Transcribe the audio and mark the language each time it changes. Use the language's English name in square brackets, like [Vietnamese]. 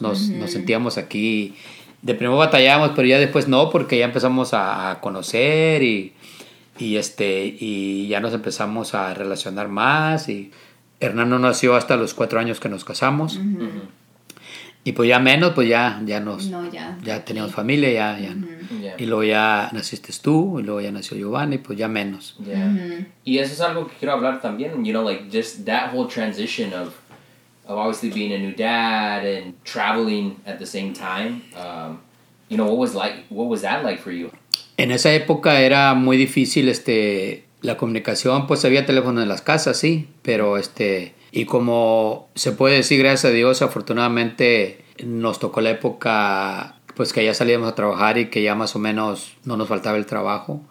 [Spanish] Nos sentíamos aquí. De primero batallamos, pero ya después no, porque ya empezamos a conocer y ya nos empezamos a relacionar más y Hernán no nació hasta los 4 años que nos casamos. Uh-huh. Y pues ya menos, pues ya, ya nos, no, ya. Ya teníamos familia, ya, ya. Uh-huh. [English] Yeah. [Spanish] Y luego ya naciste tú y luego ya nació Giovanni, pues ya menos. [English] Yeah. Uh-huh. [Spanish] Y eso es algo que quiero hablar también, [English] you know, like just that whole transition of obviously being a new dad and traveling at the same time, you know, what was that like for you? [Spanish] En esa época era muy difícil la comunicación, pues había teléfono en las casas, sí, pero y como se puede decir, gracias a Dios, afortunadamente nos tocó la época pues que ya salíamos a trabajar y que ya más o menos no nos faltaba el trabajo.